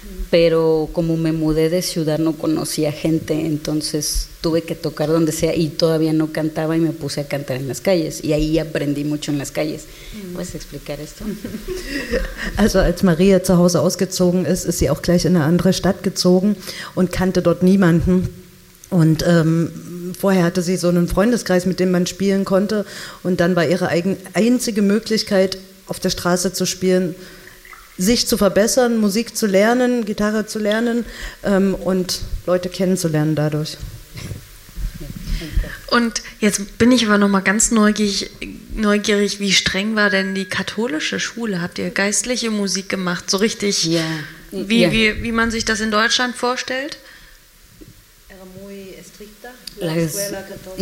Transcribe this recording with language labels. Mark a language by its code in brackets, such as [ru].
[es] Pero como me mudé de ciudad no conocía gente, entonces tuve que tocar donde sea y todavía no cantaba y me puse a cantar en las calles y ahí aprendí mucho en las calles. ¿Puedes explicar esto? [de] Also als Maria zu Hause ausgezogen ist, ist sie auch gleich in eine andere Stadt gezogen und kannte dort niemanden. Und vorher hatte sie so einen Freundeskreis, mit dem man spielen konnte und dann war ihre einzige Möglichkeit, auf der Straße zu spielen, sich zu verbessern, Musik zu lernen, Gitarre zu lernen und Leute kennenzulernen dadurch. Und jetzt bin ich aber nochmal ganz neugierig, wie streng war denn die katholische Schule? Habt ihr geistliche Musik gemacht, so richtig, ja. Wie man sich das in Deutschland vorstellt? [es] Era muy estricta, la escuela católica.